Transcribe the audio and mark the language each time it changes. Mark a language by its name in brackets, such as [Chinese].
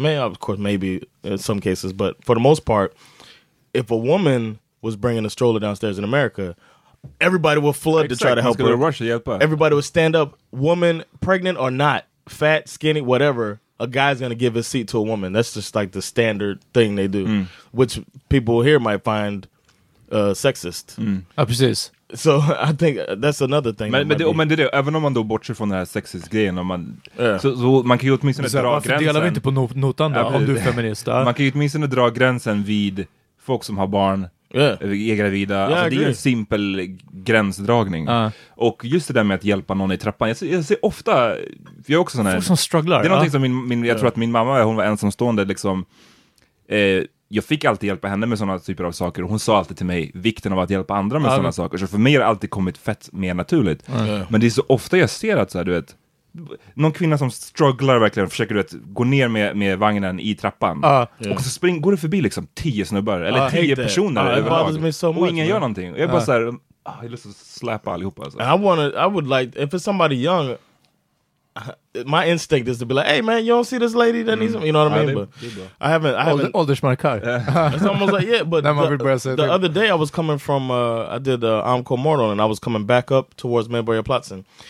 [English] May of course, maybe in some cases, but for the most part, if a woman was bringing a stroller downstairs in America, everybody would flood to try to help her. Everybody would stand up. Woman, pregnant or not, fat, skinny, whatever. A guy's gonna give his seat to a woman. That's just like the standard thing they do, which people here might find sexist. [Swedish] Ja, precis. [English] So I think that's another thing. [Swedish] Men det är, även om man då bortser från den här sexist grejen, om man så man kan ju åtminstone dra gränsen. Delar vi inte på notan då, om du är feminist. Man kan ju åtminstone dra gränsen vid folk som har barn, är gravida. [English] Yeah, [Swedish] alltså, det är en simpel gränsdragning. Och just det där med att hjälpa någon i trappan. Jag ser ofta, jag är också sån här, folk som strugglar. Det är någonting som jag tror att min mamma, hon var ensamstående liksom. Jag fick alltid hjälpa henne med såna typer av saker. Och hon sa alltid till mig vikten av att hjälpa andra med såna saker. Så för mig har alltid kommit fett mer naturligt. Men det är så ofta jag ser att så här, du vet, någon kvinna som strugglar verkligen, försöker du vet, gå ner med vagnen i trappan. Och så går det förbi liksom 10 snubbar. Eller 10 personer överlag. Och ingen gör någonting. Jag bara såhär, jag vill så släppa allihopa. [English] I would like, if it's somebody young... My instinct is to be like, hey man, you don't see this lady that needs him? You know what I mean? But I haven't. Older smart car. It's almost like, yeah, but the other day I was coming from, I did Amco Mortal, and I was coming back up towards Mayberry Plotson.